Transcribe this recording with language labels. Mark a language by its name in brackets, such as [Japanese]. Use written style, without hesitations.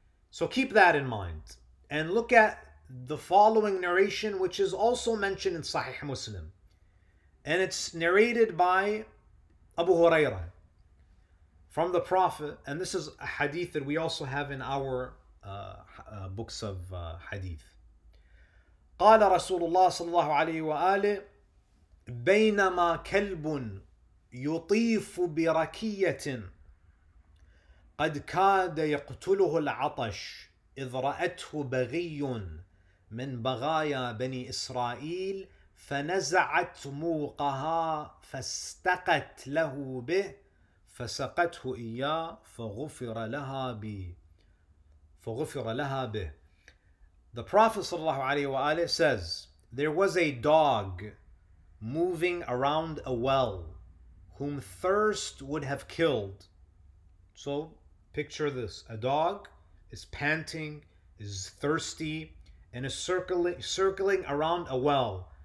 [English] So keep that in mind. And look at the following narration, which is also mentioned in Sahih Muslim. And it's narrated by Abu Huraira from the Prophet. And this is a hadith that we also have in our books of hadith. [Arabic] قال رسول الله صلى الله عليه وآله بينما كلب يطيف بركية قد كاد يقتله العطش إذ رأته بغي من بغايا بني إسرائيل فنزعت موقها فاستقت له به فسقته إياه فغفر لها به فغفر لها به. [English] The Prophet [Arabic] صلى الله عليه وآله [English] says, there was a dog moving around a well whom thirst would have killed. So picture this, a dog is panting, is thirsty, and is circling around a well.